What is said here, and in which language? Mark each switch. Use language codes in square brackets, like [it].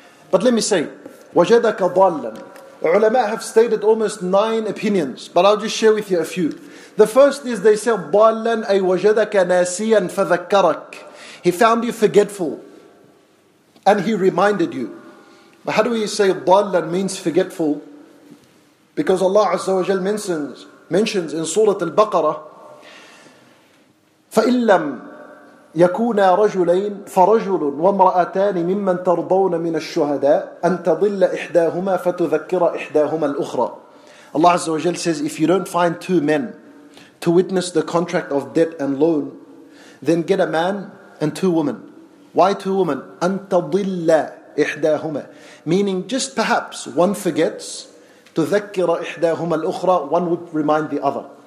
[en] But let me say, [ar] وَجَدَكَ ضَالًا. [en] Ulama have stated almost 9 opinions, but I'll just share with you a few. The first is they say, [ar] ضَالًا أي وَجَدَكَ نَاسِيًا فَذَكَّرَكَ. [en] He found you forgetful and he reminded you. But how do we say ضَالًا means forgetful? Because Allah Azza wa Jal mentions in Surah Al-Baqarah, [ar] فَإِنْ لَمْ يَكُونَا رَجُلَيْنِ فَرَجُلٌ وَامْرَأَتَانِ مِمَّنْ تَرْضَوْنَ مِنَ الشُّهَدَاءِ أَنْ تَضِلَّ إِحْدَاهُمَا فَتُذَكِّرَ إِحْدَاهُمَا الْأُخْرَى. [en] Allah Azza wa Jal says, if you don't find 2 men to witness the contract of debt and loan, then get a man and 2 women. Why 2 women? [ar] أَنْ تَضِلَّ إِحْدَاهُمَا. [en] Meaning just perhaps one forgets, [ar] تُذَكِّرَ إِحْدَاهُمَا الْأُخْرَى, [en] one would remind the other.